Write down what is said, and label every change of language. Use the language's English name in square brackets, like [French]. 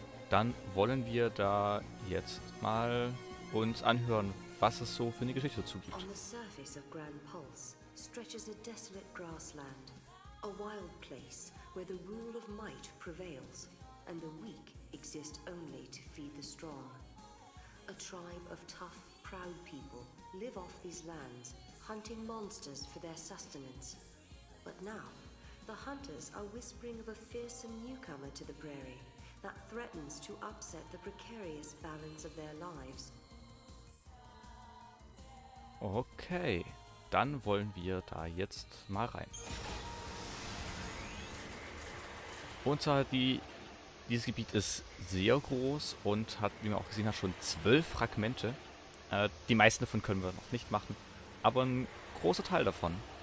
[German] Dann wollen wir da jetzt mal uns anhören, was es so für eine Geschichte dazu gibt. [English] On the surface of Grand Pulse stretches a desolate grassland. A wild place where the rule of might prevails and the weak exist only to feed the strong. A tribe of tough, proud people live off these lands, hunting monsters for their sustenance. But now, the hunters are whispering of a fearsome newcomer to the prairie that threatens to upset the precarious balance of their lives. [German] Okay, dann wollen wir da jetzt mal rein. Und zwar, dieses Gebiet ist sehr groß und hat, wie man auch gesehen hat, schon 12 Fragmente. Die meisten davon können wir noch nicht machen, aber ein großer Teil davon.